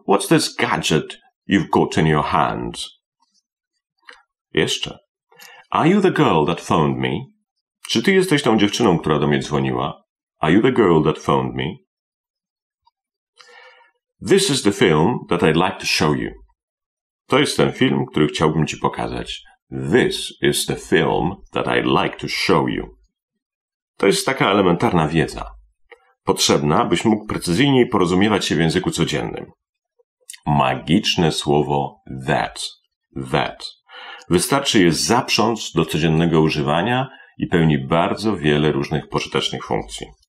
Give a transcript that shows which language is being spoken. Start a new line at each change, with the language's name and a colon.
English: What's this gadget you've got in your hand?
Polish: Jeszcze.
English: Are you the girl that phoned me?
Polish: Czy ty jesteś tą dziewczyną, która do mnie dzwoniła?
English: Are you the girl that phoned me? This is the film that I'd like to show you.
Polish: To jest ten film, który chciałbym ci pokazać.
English: This is the film that I'd like to show you.
Polish: To jest taka elementarna wiedza. Potrzebna, byś mógł precyzyjniej porozumiewać się w języku codziennym. Magiczne słowo that. That. Wystarczy je zaprząc do codziennego używania i pełni bardzo wiele różnych pożytecznych funkcji.